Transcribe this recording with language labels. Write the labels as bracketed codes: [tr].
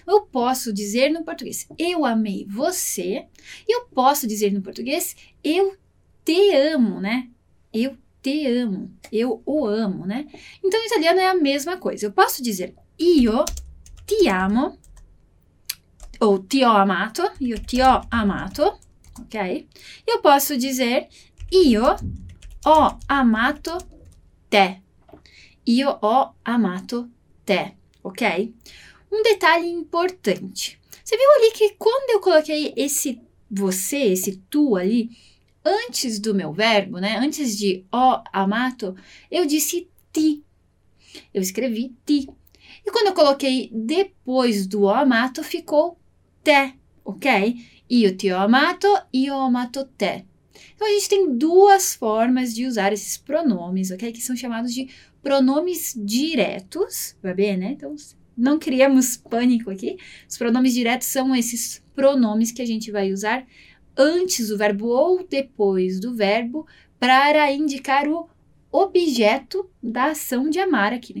[pt] Eu posso dizer no português, eu amei você, e eu posso dizer no português, eu te amo, né? Eu te amo, eu o amo, né? Então, no italiano é a mesma coisa. Eu posso dizer, [it] io ti amo. Ou ti ho amato, io ti ho amato, ok? [pt] Eu posso dizer [it] io ho amato te. Io ho amato te, ok? [pt] Um detalhe importante. Você viu ali que quando eu coloquei esse você, esse tu ali, antes do meu verbo, né? Antes de ho amato, eu disse ti. Eu escrevi ti. E quando eu coloquei depois do ho amato, ficou te, ok? [it] Io ti ho amato, io ho amato te. [pt] Então, a gente tem duas formas de usar esses pronomes, ok? Que são chamados de pronomes diretos, vai bem, né? Então, não criamos pânico aqui. Os pronomes diretos são esses pronomes que a gente vai usar antes do verbo ou depois do verbo para indicar o objeto da ação de amar aqui, né?